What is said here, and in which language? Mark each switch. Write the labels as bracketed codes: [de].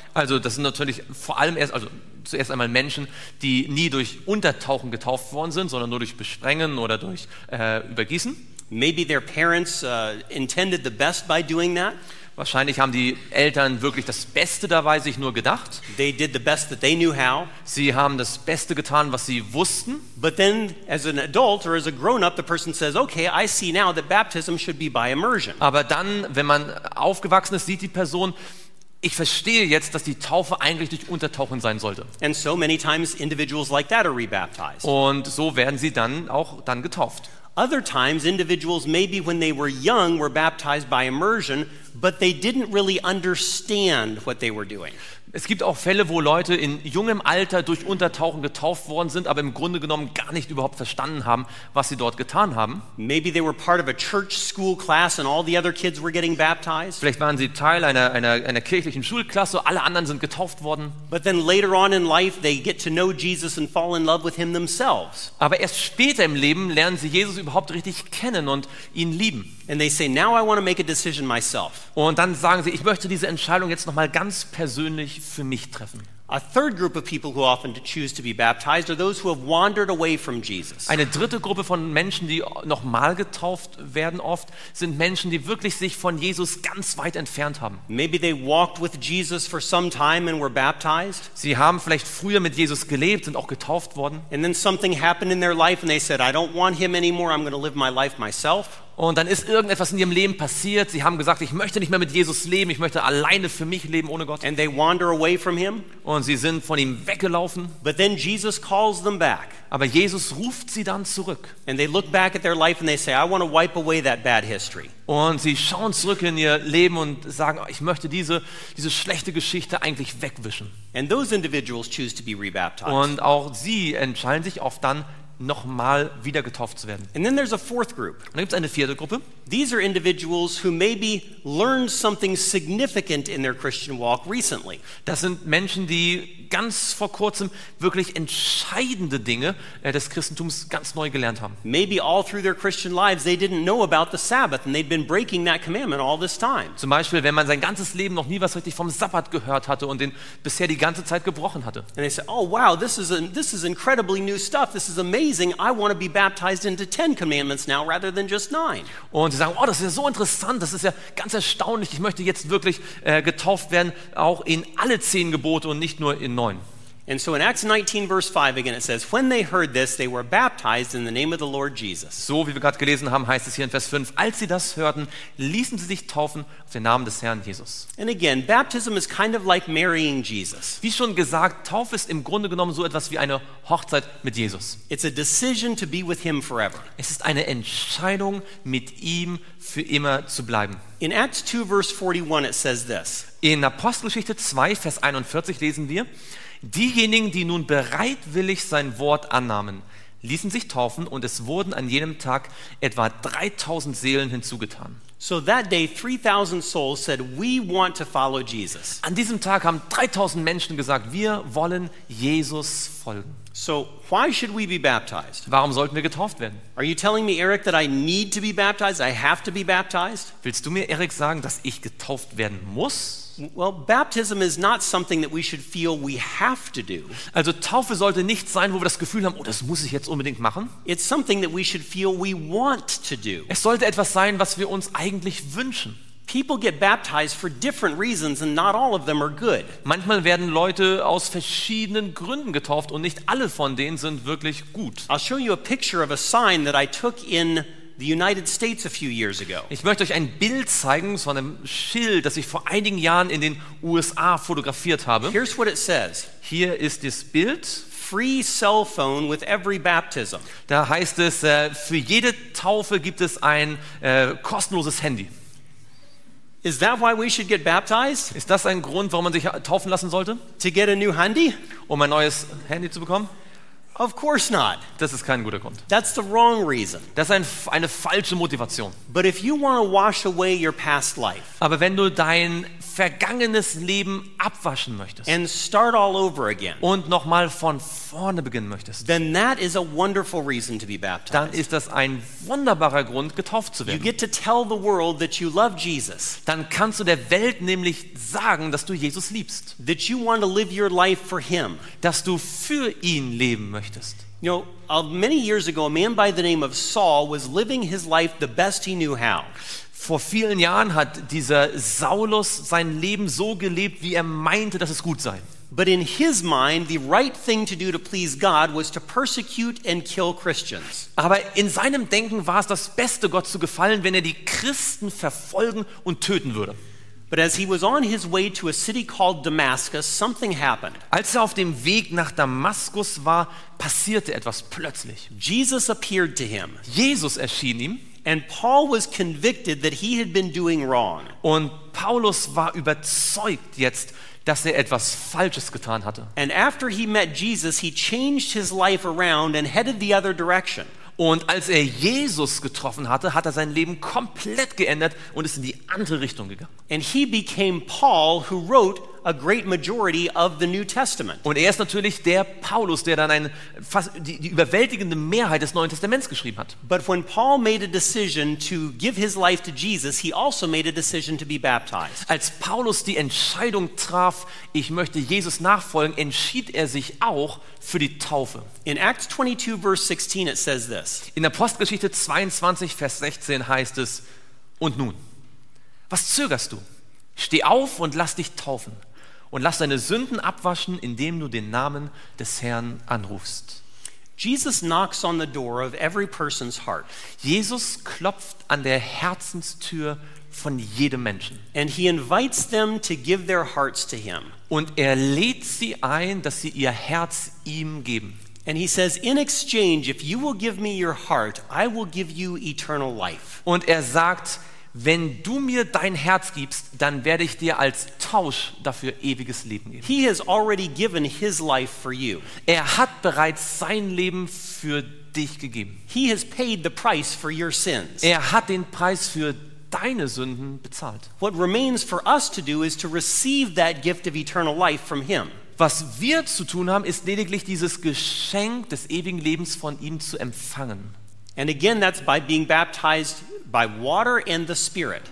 [de] Also, das sind natürlich vor allem erst, also zuerst einmal Menschen, die nie durch Untertauchen getauft worden sind, sondern nur durch Besprengen oder durch Übergießen. [en] Maybe their parents intended the best by doing that. [de] Wahrscheinlich haben die Eltern wirklich das Beste dabei sich nur gedacht. [en] They did the best that they knew how. [de] Sie haben das Beste getan, was sie wussten. [en] But then, as an adult or as a grown-up, the person says, "Okay, I see now that baptism should be by immersion." [de] Aber dann, wenn man aufgewachsen ist, sieht die Person: Ich verstehe jetzt, dass die Taufe eigentlich durch Untertauchen sein sollte. [en] And so many times, individuals like that are rebaptized. [de] Und so werden sie dann auch dann getauft. [en] Other times, individuals maybe when they were young were baptized by immersion, but they didn't really understand what they were doing. [de] Es gibt auch Fälle, wo Leute in jungem Alter durch Untertauchen getauft worden sind, aber im Grunde genommen gar nicht überhaupt verstanden haben, was sie dort getan haben. [en] Maybe they were part of a church school class and all the other kids were getting baptized. [de] Vielleicht waren sie Teil einer kirchlichen Schulklasse, alle anderen sind getauft worden. [en] But then later on in life they get to know Jesus and fall in love with him themselves. [de] Aber erst später im Leben lernen sie Jesus überhaupt richtig kennen und ihn lieben. [en] And they say, "Now I want to make a decision myself." [de] Und dann sagen sie, ich möchte diese Entscheidung jetzt noch mal ganz persönlich für mich treffen. [en] A third group of people who often choose to be baptized are those who have wandered away from Jesus. [de] Eine dritte Gruppe von Menschen, die noch mal getauft werden oft, sind Menschen, die wirklich sich von Jesus ganz weit entfernt haben. [en] Maybe they walked with Jesus for some time and were baptized. [de] Sie haben vielleicht früher mit Jesus gelebt und auch getauft worden. [en] And then something happened in their life and they said, "I don't want him anymore. I'm going to live my life myself." [de] Und dann ist irgendetwas in ihrem Leben passiert. Sie haben gesagt, ich möchte nicht mehr mit Jesus leben, ich möchte alleine für mich leben ohne Gott. [en] And they wander away from him. [de] Und sie sind von ihm weggelaufen. [en] But then Jesus calls them back. [de] Aber Jesus ruft sie dann zurück. [en] And they look back at their life and they say, "I want to wipe away that bad history." [de] Und sie schauen zurück in ihr Leben und sagen, ich möchte diese schlechte Geschichte eigentlich wegwischen. [en] And those individuals choose to be rebaptized. [de] Und auch sie entscheiden sich oft dann nochmal wieder getauft zu werden. [en] And then there's a fourth group. [de] Und dann gibt's eine vierte Gruppe. [en] These are individuals who maybe learned something significant in their Christian walk recently. [de] Das sind Menschen, die ganz vor kurzem wirklich entscheidende Dinge des Christentums ganz neu gelernt haben. [en] Maybe all through their Christian lives they didn't know about the Sabbath and they'd been breaking that commandment all this time. [de] Zum Beispiel, wenn man sein ganzes Leben noch nie was richtig vom Sabbat gehört hatte und den bisher die ganze Zeit gebrochen hatte. [en] And they said, "Oh wow, this is incredibly new stuff. This is amazing. I want to be baptized into 10 commandments now rather than just 9." [de] Und sie sagen, oh, das ist ja so interessant, das ist ja ganz erstaunlich, ich möchte jetzt wirklich getauft werden, auch in alle 10 Gebote und nicht nur in 9. [en] And so in Acts 19, verse 5, again it says, "When they heard this, they were baptized in the name of the Lord Jesus." [de] So wie wir gerade gelesen haben, heißt es hier in Vers 5, als sie das hörten, ließen sie sich taufen auf den Namen des Herrn Jesus. [en] And again, baptism is kind of like marrying Jesus. [de] Wie schon gesagt, Taufe ist im Grunde genommen so etwas wie eine Hochzeit mit Jesus. [en] It's a decision to be with him forever. [de] Es ist eine Entscheidung, mit ihm für immer zu bleiben. [en] In Acts 2, verse 41, it says this. [de] In Apostelgeschichte 2, Vers 41 lesen wir: Diejenigen, die nun bereitwillig sein Wort annahmen, ließen sich taufen und es wurden an jenem Tag etwa 3000 Seelen hinzugetan. [en] So that day 3000 souls said, "We want to follow Jesus." [de] An diesem Tag haben 3000 Menschen gesagt, wir wollen Jesus folgen. [en] So why should we be baptized? [de] Warum sollten wir getauft werden? [en] Are you telling me, Eric, that I need to be baptized? I have to be baptized? [de] Willst du mir, Eric, sagen, dass ich getauft werden muss? [en] Well, baptism is not something that we should feel we have to do. [de] Also Taufe sollte nicht sein, wo wir das Gefühl haben, oh, das muss ich jetzt unbedingt machen. [en] It's something that we should feel we want to do. [de] Es sollte etwas sein, was wir uns eigentlich wünschen. [en] People get baptized for different reasons and not all of them are good. [de] Manchmal werden Leute aus verschiedenen Gründen getauft und nicht alle von denen sind wirklich gut. [en] I'll show you a picture of a sign that I took in the United States a few years ago. [de] Ich möchte euch ein Bild zeigen von einem Schild, das ich vor einigen Jahren in den USA fotografiert habe. [en] Here's what it says. [de] Hier ist das Bild. [en] Free cell phone with every baptism. [de] Da heißt es, für jede Taufe gibt es ein kostenloses Handy. [en] Is that why we should get baptized? [de] Ist das ein Grund, warum man sich taufen lassen sollte? [en] To get a new handy? [de] Um ein neues Handy zu bekommen? [en] Of course not. [de] Das ist kein guter Grund. [en] That's the wrong reason. [de] Das ist eine falsche Motivation. [en] But if you want to wash away your past life. [de] Aber wenn du dein vergangenes Leben abwaschen möchtest [en] and start all over again, [de] und nochmal von vorne beginnen möchtest, [en] then that is a wonderful reason to be baptized. [de] Dann ist das ein wunderbarer Grund, getauft zu werden. [en] You get to tell the world that you love Jesus. [de] Dann kannst du der Welt nämlich sagen, dass du Jesus liebst. [en] That you want to live your life for him. [de] Dass du für ihn leben möchtest. [en] You know, many years ago, a man by the name of Saul was living his life the best he knew how. [de] Vor vielen Jahren hat dieser Saulus sein Leben so gelebt, wie er meinte, dass es gut sei. [en] But in his mind, the right thing to do to please God was to persecute and kill Christians. [de] Aber in seinem Denken war es das Beste, Gott zu gefallen, wenn er die Christen verfolgen und töten würde. [en] But as he was on his way to a city called Damascus, something happened. [de] Als er auf dem Weg nach Damaskus war, passierte etwas plötzlich. [en] Jesus appeared to him. [de] Jesus erschien ihm. [en] And Paul was convicted that he had been doing wrong. [de] Und Paulus war überzeugt jetzt, dass er etwas Falsches getan hatte. [en] And after he met Jesus, he changed his life around and headed the other direction. [de] Und als er Jesus getroffen hatte, hat er sein Leben komplett geändert und ist in die andere Richtung gegangen. [en] And he became Paul, who wrote a great majority of the New Testament. [de] Und er ist natürlich der Paulus, der dann die überwältigende Mehrheit des Neuen Testaments geschrieben hat. [en] But when Paul made a decision to give his life to Jesus, he also made a decision to be baptized. [de] Als Paulus die Entscheidung traf, ich möchte Jesus nachfolgen, entschied er sich auch für die Taufe. [en] In Acts 22 verse 16 it says this. [de] In Apostelgeschichte 22 Vers 16 heißt es: Und nun, was zögerst du? Steh auf und lass dich taufen und lass deine Sünden abwaschen, indem du den Namen des Herrn anrufst. [en] Jesus knocks on the door of every person's heart. [de] Jesus klopft an der Herzenstür von jedem Menschen. [en] And he invites them to give their hearts to him. [de] Und er lädt sie ein, dass sie ihr Herz ihm geben. [en] And he says, in exchange, if you will give me your heart, I will give you eternal life. [de] Und er sagt, wenn du mir dein Herz gibst, dann werde ich dir als Tausch dafür ewiges Leben geben. [en] He has already given his life for you. [de] Er hat bereits sein Leben für dich gegeben. [en] He has paid the price for your sins. [de] Er hat den Preis für deine Sünden bezahlt. [en] What remains for us to do is to receive that gift of eternal life from him. [de] Was wir zu tun haben, ist lediglich dieses Geschenk des ewigen Lebens von ihm zu empfangen. [en] And again, that's by being baptized by water and the Spirit.